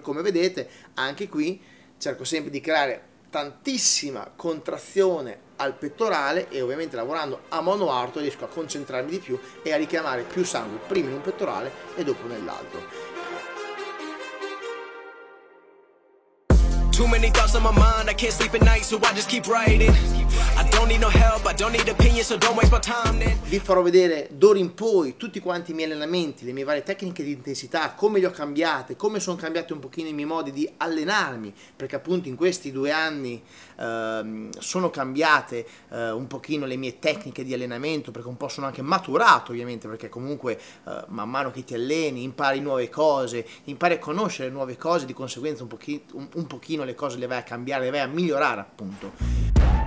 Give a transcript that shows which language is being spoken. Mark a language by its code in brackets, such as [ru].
[it] Come vedete anche qui cerco sempre di creare tantissima contrazione al pettorale e ovviamente lavorando a mano arto riesco a concentrarmi di più e a richiamare più sangue prima in un pettorale e dopo nell'altro. [en] Too many thoughts on my mind, I can't sleep at night, so I just keep writing. I don't need no help, I don't need opinions, so don't waste my time. [it] Vi farò vedere d'ora in poi tutti quanti i miei allenamenti, le mie varie tecniche di intensità, come le ho cambiate, come sono cambiati un pochino i miei modi di allenarmi, perché appunto in questi 2 anni sono cambiate un pochino le mie tecniche di allenamento, perché un po' sono anche maturato ovviamente, perché comunque man mano che ti alleni impari nuove cose, impari a conoscere nuove cose, di conseguenza un pochino le cose le vai a cambiare, le vai a migliorare appunto.